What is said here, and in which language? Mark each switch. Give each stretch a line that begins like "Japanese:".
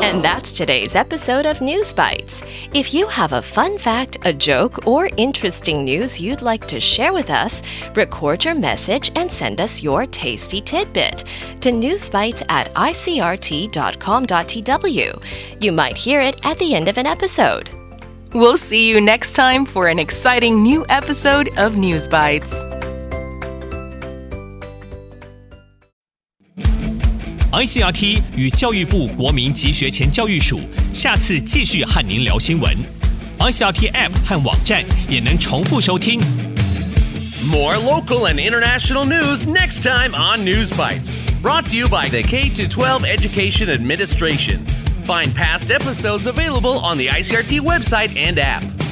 English: And that's today's episode of News Bites. If you have a fun fact, a joke, or interesting news you'd like to share with us, record your message and send us your tasty tidbit to newsbites@icrt.com.tw. You might hear it at the end of an episode. We'll see you next time for an exciting new episode of News Bites.
Chinese: ICRT 与教育部国民及学前教育署下次继续和您聊新闻。 ICRT App 和网站也能重复收听。
English: More local and international news next time on News Bites. Brought to you by the K-12 Education Administration. Find past episodes available on the ICRT website and app.